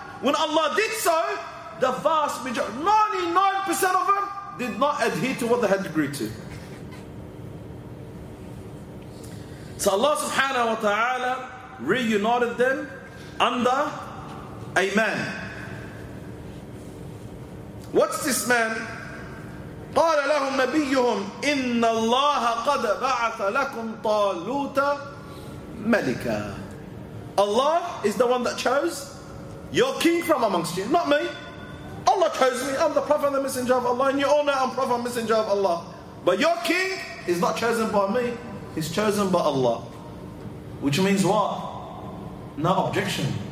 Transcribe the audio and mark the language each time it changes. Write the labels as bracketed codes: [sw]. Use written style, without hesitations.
[en] When Allah did so, the vast majority, 99% of them, did not adhere to what they had agreed to. So Allah subhanahu wa ta'ala reunited them under a man. What's this man? [ar] قال لهم نبيهم إن الله قد بعث لكم طالوت ملكا. [en] Allah is the one that chose your king from amongst you, not me. Allah chose me. I'm the prophet and the messenger of Allah, and you all know I'm prophet and messenger of Allah. But your king is not chosen by me, he's chosen by Allah. Which means what? No objection.